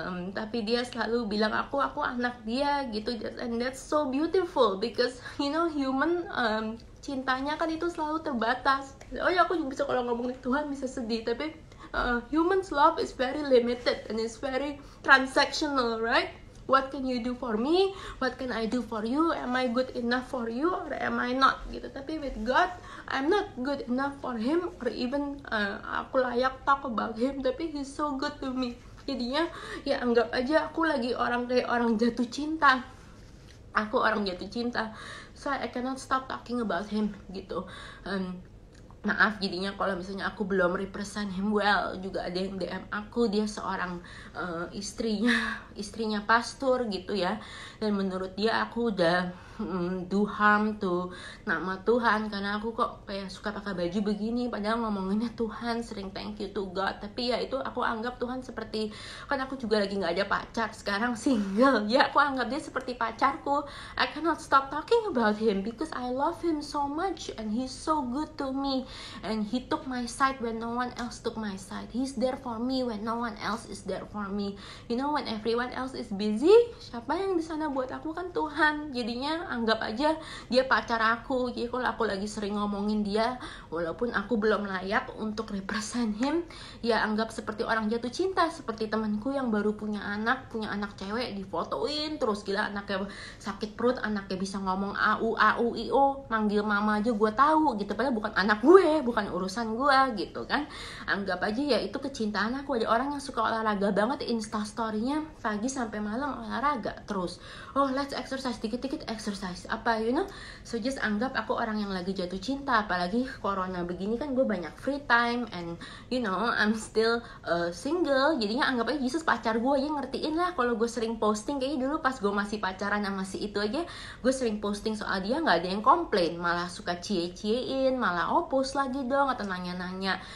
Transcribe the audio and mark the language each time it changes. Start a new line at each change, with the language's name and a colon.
Indonesian: tapi dia selalu bilang aku anak dia gitu,
English: and that's so beautiful because you know human
Indonesian: cintanya kan itu selalu terbatas, oh ya aku juga bisa kalau ngomongin Tuhan bisa sedih, tapi
English: human's love is very limited and it's very transactional, right? What can you do for me? What can I do for you? Am I good enough for you or am I not?
Indonesian: Gitu. Tapi
English: with God, I'm not good enough for him or even
Indonesian: aku layak
English: talk about him, tapi he's so good to me.
Indonesian: Jadinya ya anggap aja aku lagi orang kayak orang jatuh cinta. Aku orang jatuh cinta.
English: So I cannot stop talking about him gitu.
Indonesian: Maaf jadinya kalau misalnya aku belum represent him well, juga ada yang DM aku, dia seorang istrinya pastor gitu ya, dan menurut dia aku udah
English: do harm to
Indonesian: nama Tuhan, karena aku kok kayak suka pakai baju begini padahal ngomonginnya Tuhan, sering
English: thank you to God.
Indonesian: Tapi ya itu aku anggap Tuhan seperti, kan aku juga lagi nggak ada pacar sekarang, single, ya aku anggap dia seperti pacarku.
English: I cannot stop talking about him because I love him so much and he's so good to me, and he took my side when no one else took my side. He's there for me when no one else is there for me. You know, when everyone else is busy,
Indonesian: siapa yang di sana buat aku? Kan Tuhan. Jadinya anggap aja dia pacar aku. Jadi kalau aku lagi sering ngomongin dia, walaupun aku belum layak untuk represent him, ya anggap seperti orang jatuh cinta, seperti temanku yang baru punya anak cewek, difotoin terus, gila anaknya sakit perut, anaknya bisa ngomong au au io, manggil mama aja gue tahu gitu, padahal bukan anak gue, bukan urusan gue gitu kan. Anggap aja ya itu kecintaan aku. Ada orang yang suka olahraga banget, insta story-nya pagi sampai malam olahraga terus.
English: Oh, let's exercise,
Indonesian: dikit-dikit
English: exercise, apa, you know. So just
Indonesian: anggap aku orang yang lagi jatuh cinta. Apalagi corona begini kan gue banyak
English: free time, and you know, I'm still single.
Indonesian: Jadinya anggap aja Yesus pacar gue, ya ngertiin lah kalau gue sering posting. Kayaknya dulu pas gue masih pacaran sama si itu aja, gue sering posting soal dia, gak ada yang komplain, malah suka cie-ciein, malah oh post lagi dong, atau nanya-nanya.